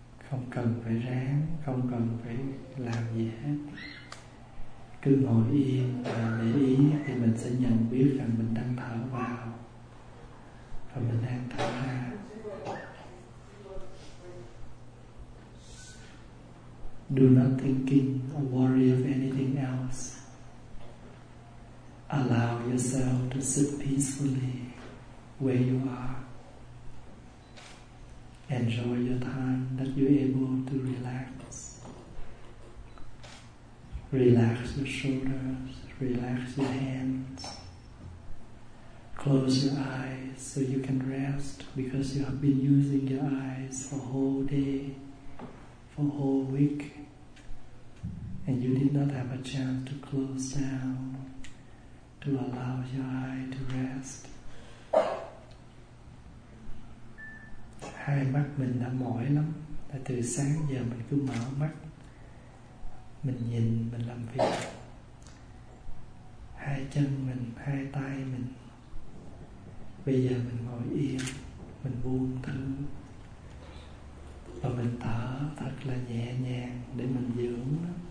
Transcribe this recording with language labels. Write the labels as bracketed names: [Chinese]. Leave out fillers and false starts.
[Vietnamese] Không cần phải ráng, không cần phải làm gì hết, cứ ngồi yên và để ý thì mình sẽ nhận biết rằng mình đang thở vào và mình đang thở ra. [English] Do not thinking or worry of anything else. Allow yourself to sit peacefully. where you are. Enjoy your time that you're able to relax. Relax your shoulders, relax your hands. Close your eyes so you can rest, because you have been using your eyes for a whole day, for a whole week, and you did not have a chance to close down, to allow your eye to rest. [Vietnamese] Hai mắt mình đã mỏi lắm, là từ sáng giờ mình cứ mở mắt, mình nhìn, mình làm việc. Hai chân mình, hai tay mình, bây giờ mình ngồi yên, mình buông thư, và mình thở thật là nhẹ nhàng để mình dưỡng.